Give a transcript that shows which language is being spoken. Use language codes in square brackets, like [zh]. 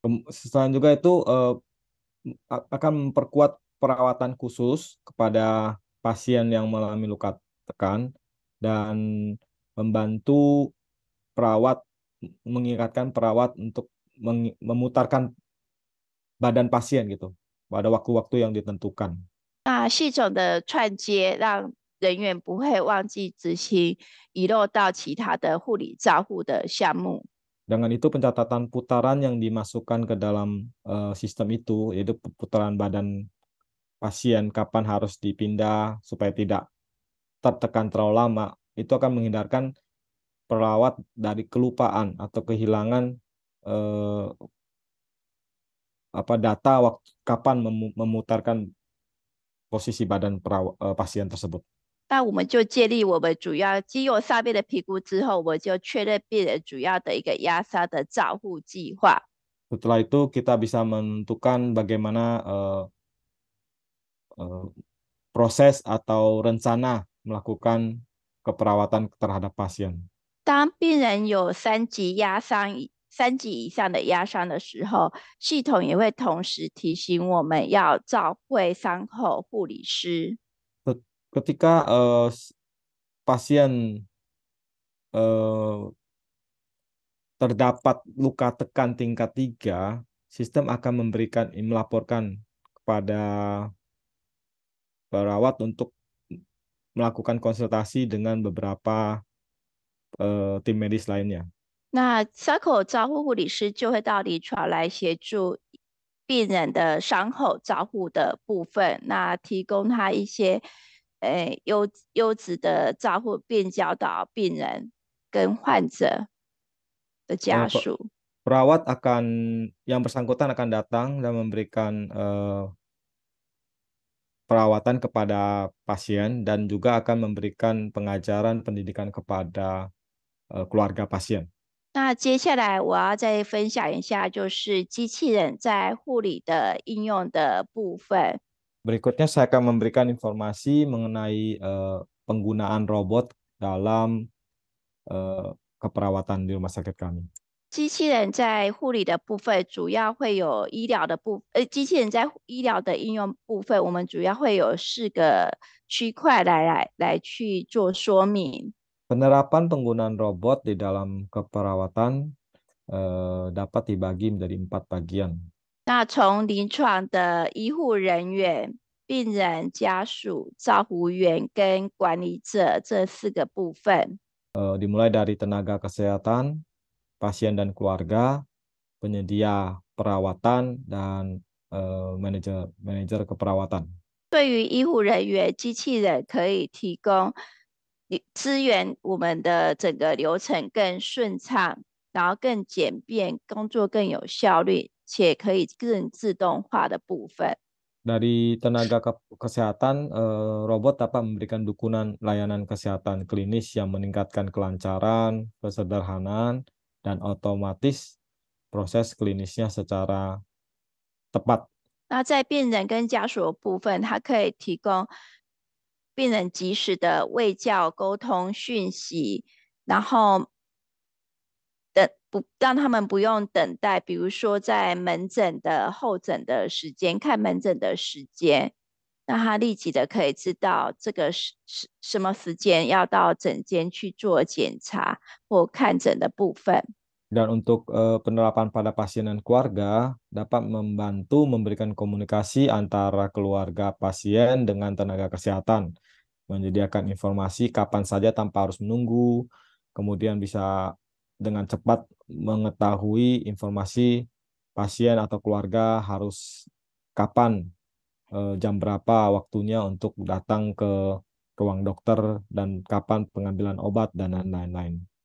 [id] Selain juga itu akan memperkuat perawatan khusus kepada pasien yang mengalami luka tekan dan membantu perawat mengingatkan perawat untuk memutarkan badan pasien gitu pada waktu-waktu yang ditentukan. [zh] 那系统的串接让人员不会忘记执行遗漏到其他的护理照护的项目。 [id] Dengan itu pencatatan putaran yang dimasukkan ke dalam sistem itu, yaitu putaran badan pasien kapan harus dipindah supaya tidak tertekan terlalu lama, itu akan menghindarkan perawat dari kelupaan atau kehilangan data waktu kapan memutarkan posisi badan pasien tersebut. [zh] 那我们就建立我们主要肌肉上面的评估之后，我们就确认病人主要的一个压伤的照护计划。 [id] Setelah itu kita bisa menentukan bagaimana proses atau rencana melakukan keperawatan terhadap pasien. [zh] 当病人有三级以上的压伤的时候，系统也会同时提醒我们要召会伤口护理师。 [id] Ketika pasien terdapat luka tekan tingkat 3, sistem akan memberikan melaporkan kepada perawat untuk melakukan konsultasi dengan beberapa tim medis lainnya. [zh] 那伤口照护护理师就会到临床来协助病人的伤口照护的部分，那提供他一些优质的照护，并教导病人跟患者的家属。 [id] Perawat akan yang bersangkutan akan datang dan memberikan perawatan kepada pasien dan juga akan memberikan pengajaran pendidikan kepada keluarga pasien. [zh] 那接下来我要再分享一下，就是机器人在护理的应用的部分。 [id] Berikutnya saya akan memberikan informasi mengenai penggunaan robot dalam keperawatan di rumah sakit kami. [zh] 机器人在护理的部分主要会有医疗的部分，机器人在医疗的应用部分，我们主要会有四个区块来去做说明。 [id] Penerapan penggunaan robot di dalam keperawatan dapat dibagi menjadi 4 bagian. [zh] 那从临床的医护人员、病人家属、照护员跟管理者这四个部分。 [id] Dimulai dari tenaga kesehatan, pasien dan keluarga, penyedia perawatan, dan manajer keperawatan. [zh] 对于医护人员，机器人可以提供资源，我们的整个流程更顺畅，然后更简便，工作更有效率，且可以更自动化的部分。 [id] Dari tenaga kesehatan, robot dapat memberikan dukungan layanan kesehatan klinis yang meningkatkan kelancaran, kesederhanaan, dan otomatis proses klinisnya secara tepat. [zh] 那在病人跟家属的部分，它可以提供病人及时的卫教沟通讯息，然后让他们不用等待，比如说在门诊的候诊的时间，看门诊的时间，那他立即的可以知道这个什么时间要到诊间去做检查或看诊的部分。 [id] Dan untuk penerapan pada pasien dan keluarga dapat membantu memberikan komunikasi antara keluarga pasien dengan tenaga kesehatan, menyediakan informasi kapan saja tanpa harus menunggu, kemudian bisa dengan cepat mengetahui informasi pasien atau keluarga harus kapan, jam berapa waktunya untuk datang ke ruang dokter, dan kapan pengambilan obat, dan lain-lain.